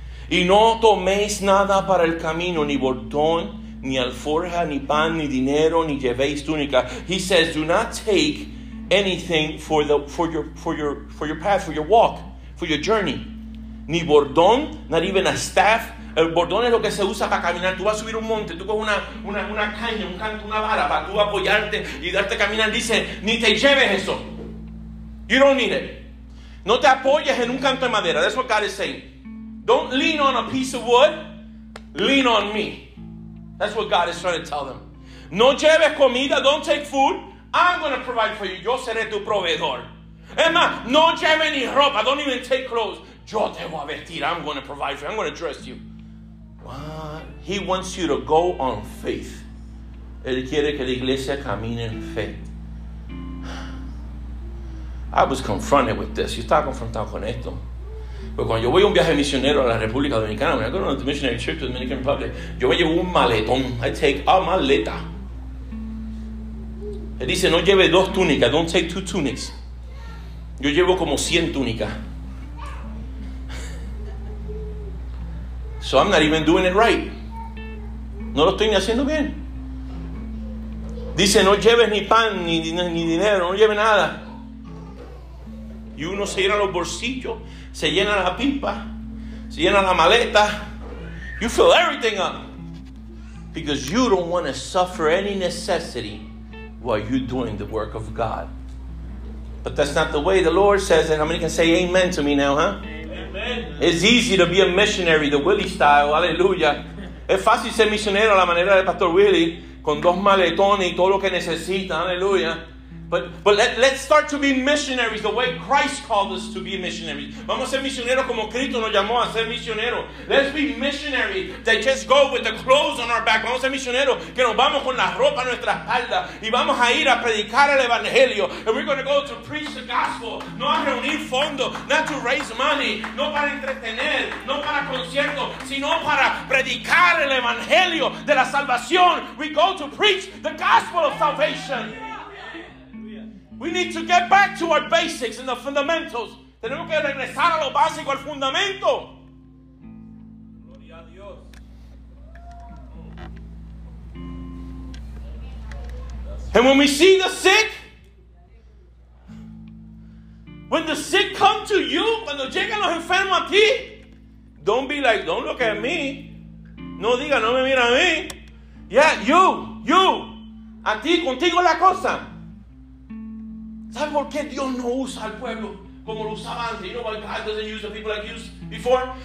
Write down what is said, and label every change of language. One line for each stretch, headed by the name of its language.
Spanish: Y no toméis nada para el camino, ni bordón, ni alforja, ni pan, ni dinero, ni llevéis túnica.
English: He says, do not take anything for your path, for your walk, for your journey.
Spanish: Ni bordón,
English: not even a staff.
Spanish: El bordón es lo que se usa para caminar. Tú vas a subir un monte, tú coges una caña, un canto, una vara para tú apoyarte y darte a caminar. Dice, ni te lleves eso.
English: You don't need it.
Spanish: No te apoyes en un canto de madera.
English: That's what God is saying. Don't lean on a piece of wood. Lean on me. That's what God is trying to tell them.
Spanish: No lleves comida.
English: Don't take food. I'm going to provide for you.
Spanish: Yo seré tu proveedor. Emma, no lleves ni ropa.
English: Don't even take clothes.
Spanish: Yo te voy a vestir.
English: I'm going to provide for you. I'm going to dress you. What? He wants you to go on faith.
Spanish: Él quiere que la iglesia camine en fe.
English: I was confronted with this.
Spanish: Yo estaba confrontado con esto. Porque cuando yo voy a un viaje misionero a la República Dominicana,
English: when I go on a missionary trip to the Dominican Republic,
Spanish: yo me llevo un maletón.
English: I take a maleta.
Spanish: Él dice, no lleve dos túnicas.
English: Don't take two tunics.
Spanish: Yo llevo como 100 túnicas.
English: So I'm not even doing it right.
Spanish: No lo estoy ni haciendo bien. Dice, no lleves ni pan, ni dinero, no lleves nada. Y uno se llena los bolsillos, se llena la pipa, se llena la maleta.
English: You fill everything up. Because you don't want to suffer any necessity while you're doing the work of God. But that's not the way the Lord says it. How many can say amen to me now, huh? It's easy to be a missionary, the Willie style, hallelujah.
Spanish: Es fácil ser misionero a la manera de Pastor Willie, con dos maletones y todo lo que necesita, hallelujah.
English: But let's start to be missionaries the way Christ called us to be missionaries.
Spanish: Vamos a ser misioneros como Cristo nos llamó a ser misioneros.
English: Let's be missionaries that just go with the clothes on our back.
Spanish: Vamos a ser misioneros que nos vamos con la ropa a nuestra espalda y vamos a ir a predicar el evangelio.
English: And we're going to go to preach the gospel.
Spanish: No a reunir fondos,
English: not to raise money,
Spanish: no para entretener, no para conciertos, sino para predicar el evangelio de la salvación.
English: We go to preach the gospel of salvation. We need to get back to our basics and the fundamentals.
Spanish: Tenemos que regresar a lo básico, al fundamento. Gloria a Dios.
English: And when we see the sick, when the sick come to you,
Spanish: cuando llegan los enfermos a ti,
English: don't be like, don't look at me.
Spanish: No diga, no me mira a mí.
English: Yeah, you.
Spanish: A ti, contigo la cosa. ¿Sabes por qué Dios no usa al pueblo como lo usaba antes?
English: You know why God doesn't use the people like he used before?